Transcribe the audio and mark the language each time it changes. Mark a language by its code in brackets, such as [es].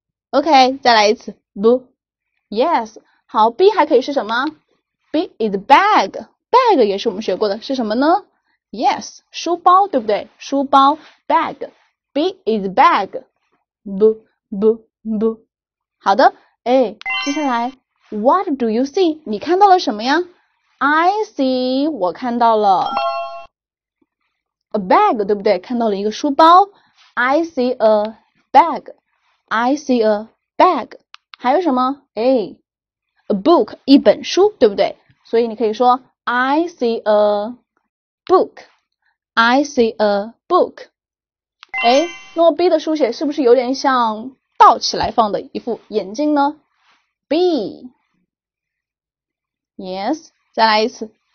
[zh] OK，再来一次。不，Yes，好。 B 还可以是什么？ [en] B is bag， [zh] bag 也是我们学过的，是什么呢？Yes，书包，对不对？书包，bag， [en] B is bag， [zh] 不不不，好的。哎，接下来， [en] What do you see？ [zh] 你看到了什么呀？ [en] I see， [zh] 我看到了 a bag，对不对？看到了一个书包。 [en] I see a bag。 I see a bag， [zh] 还有什么？A book，一本书，对不对？所以你可以说 [en] I see a book，I see a book。 [zh] 哎，那么 B 的书写是不是有点像倒起来放的一副眼镜呢？B，yes，再来一次。